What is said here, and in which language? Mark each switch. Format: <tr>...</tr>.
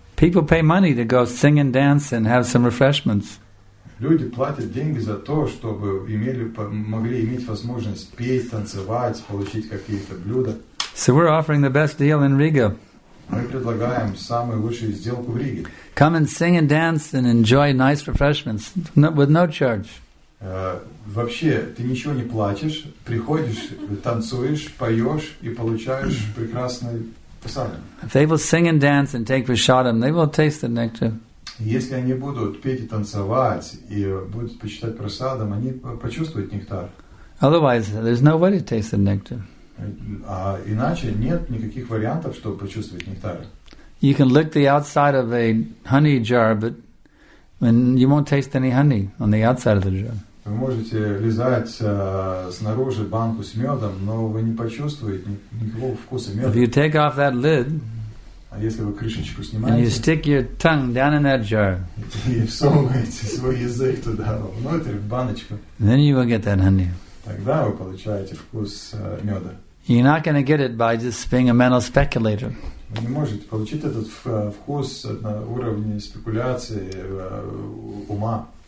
<en>People pay money to go sing and dance and have some refreshments.</en> <ru>Люди платят деньги за то, чтобы могли иметь возможность петь, танцевать, получить какие-то блюда.</ru> <en>So we're offering the best deal in Riga.</en> <ru>Мы предлагаем самую лучшую сделку в Риге.</ru> <en>Come and sing and dance and enjoy nice refreshments with no charge.</en> <ru>Вообще, ты ничего не платишь, приходишь, танцуешь, поешь и получаешь прекрасный прасадам.</ru> <en>If they will sing and dance and take prasadam, they will taste the nectar.</en> <ru>Если они будут петь и танцевать и будут почитать прасадам, они почувствуют нектар.</ru> <en>Otherwise, there's no way to taste the nectar.</en> <ru>А иначе нет никаких вариантов, чтобы почувствовать нектар.</ru> <en>You can lick the outside of a honey jar, but and you won't taste any honey on the outside of the jar.</en> <ru>Вы можете лизать снаружи банку с медом, но вы не почувствуете никакого вкуса меда.</ru> <en>If you take off that lid,</en> <ru>а если вы крышечку снимаете,</ru> <en>and you stick your tongue down in that jar,</en> <ru>и всовываете свой язык туда внутрь в баночку,</ru> <en>then you will get that honey.</en> <ru>Тогда вы получаете вкус меда.</ru> <en>You're not going to get it by just being a mental speculator.</en> <ru>Вы не можете получить этот вкус на уровне спекуляции ума.</ru>